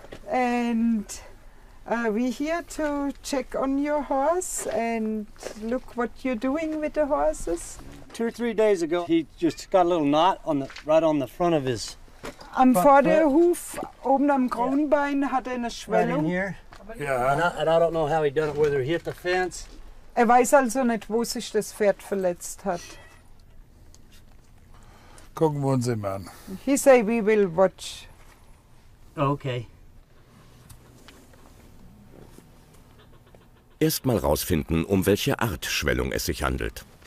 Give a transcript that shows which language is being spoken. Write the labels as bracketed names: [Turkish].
[English] And we're here to check on your horse and look what you're doing with the horses. Two or three days ago, he just got a little knot on the right on the front of his. [German] Am Vorderhuf, oben am Kronbein, hat eine Schwellung. [English] Right in here. Yeah. And I don't know how he done it, whether he hit the fence. [German] Weiß also nicht, wo sich das Pferd verletzt hat. Gucken wir uns ihn an. [English] He say we will watch. Okay. [German] Erstmal rausfinden, um welche Art Schwellung es sich handelt.